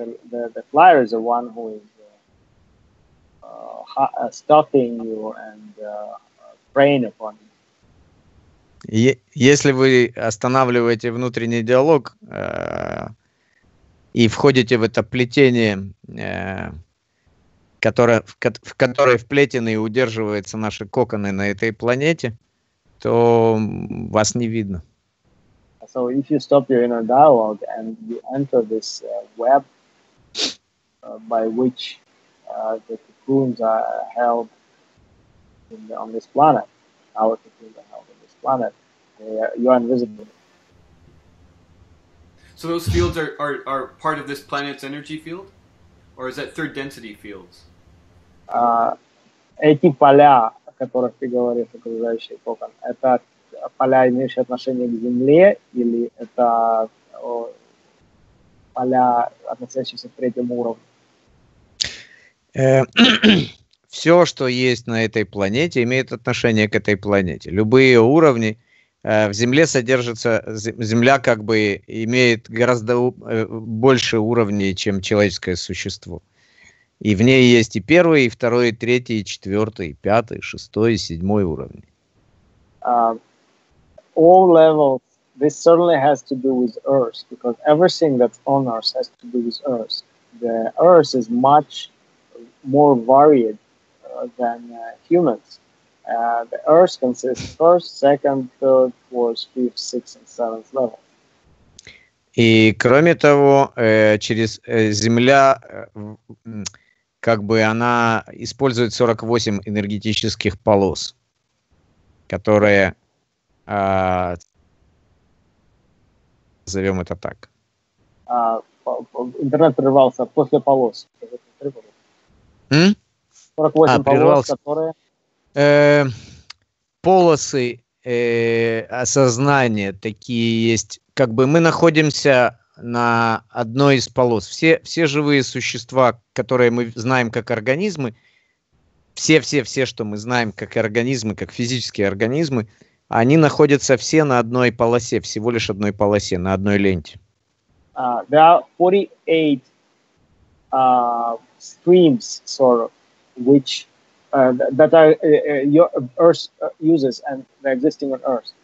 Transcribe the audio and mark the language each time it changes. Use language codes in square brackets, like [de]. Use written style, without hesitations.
[en] The flyer is the one who is stalking you and preying upon you. [ru] Если вы останавливаете внутренний диалог и входите в это плетение, в которое вплетены и удерживаются наши коконы на этой планете, то вас не видно. [en] So if you stop your inner dialogue and you enter this web by which the cocoons are held in the, on this planet. Our cocoons are held on this planet. You are invisible. So those fields are part of this planet's energy field? Or is that third density fields? [ru] Эти поля, о которых ты говоришь, окружающие кокон, это поля, имеющие отношение к Земле, или это поля, относящиеся к третьему уровню? Все, что есть на этой планете, имеет отношение к этой планете. Любые уровни в Земле содержатся, Земля как бы имеет гораздо больше уровней, чем человеческое существо. И в ней есть и первый, и второй, и третий, и четвертый, и пятый, и шестой, и седьмой уровни. [en] All levels, this certainly has to do with Earth, because everything that's on Earth has to do with Earth. The Earth is much more varied than humans. The Earth consists first, second, third, fourth, fifth, sixth, and seventh level. [ru] И кроме того, через Земля... как бы она использует 48 энергетических полос, которые, назовем это так. Интернет прервался после полос. М? 48 полос, которые... полосы осознания такие есть. Как бы мы находимся... на одной из полос. Все живые существа, которые мы знаем как организмы, все, что мы знаем как организмы, как физические организмы, они находятся все на одной полосе, всего лишь одной полосе, на одной ленте. [en] There are 48 streams, sort of, which that are your Earth uses and the existing on Earth.